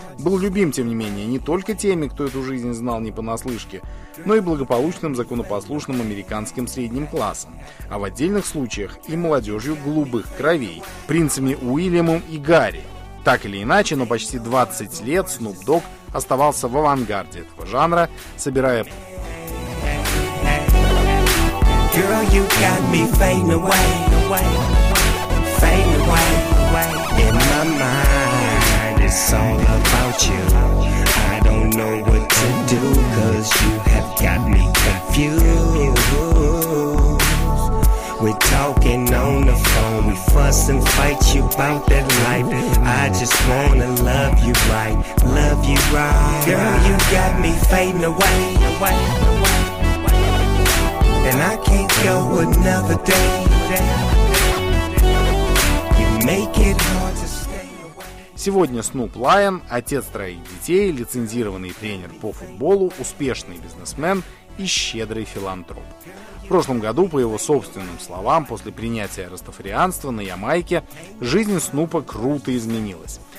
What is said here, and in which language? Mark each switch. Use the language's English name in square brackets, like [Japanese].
[Russian] Был любим, тем не менее, не только теми, кто эту жизнь знал не понаслышке, но и благополучным, законопослушным американским средним классом, а в отдельных случаях и молодежью голубых кровей, принцами Уильямом и Гарри. Так или иначе, но почти 20 лет Snoop Dogg оставался в авангарде этого жанра, собирая... [English] Girl, you got me fading away, away, fading away, away. In my mind, it's all about you. I don't know what to do, 'cause you have got me confused. We're talking on the phone, we fuss and fight you about that life. I just wanna love you right, love you right. Girl, you got me fading away, away. And I can't go another day. You make it hard to stay away. [Russian] Сегодня Снуп Лайон, отец троих детей, лицензированный тренер по футболу, успешный бизнесмен и щедрый филантроп. В прошлом году, по его собственным словам, после принятия растафарианства на Ямайке, жизнь Снупа круто изменилась.